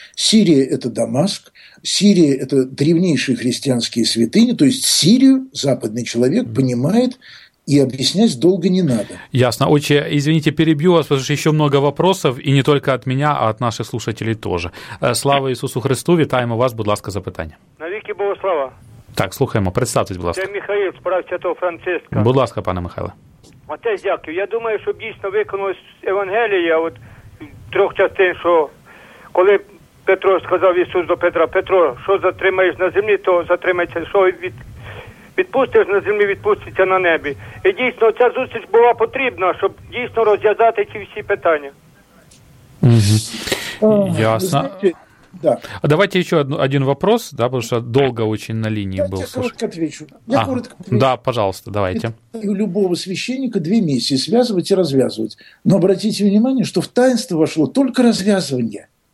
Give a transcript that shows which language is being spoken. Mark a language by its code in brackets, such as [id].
[ru] Сирия – это Дамаск. Сирия – это древнейшие христианские святыни. То есть Сирию западный человек понимает, и объяснять долго не надо. Ясно. Очень, извините, перебью вас, потому что еще много вопросов, и не только от меня, а от наших слушателей тоже. [uk] Слава Иисусу Христу, витаем вас, будь ласка, за питання. [ru] Навеки Богу слава. [uk] Так, слухаємо, [ru] представьтесь, [uk] будь ласка. Це Михаїл, справ Святого Франциска. Будь ласка, пане Михайле. Отець, дякую. Я думаю, щоб дійсно виконалось Евангелія, от трьох частин, що коли Петро сказав Ісус до Петра, Петро, що затримаєш на землі, то затримається, що від... відпустиш на землі, відпуститься на небі. І дійсно ця зустріч була потрібна, щоб дійсно розв'язати ці всі питання. [ru] Ясно. Да. Давайте еще один вопрос, да, потому что долго очень на линии я был. Я коротко отвечу. Я коротко отвечу. Да, пожалуйста, давайте. У любого священника две миссии – связывать и развязывать. Но обратите внимание, что в таинство вошло только развязывание.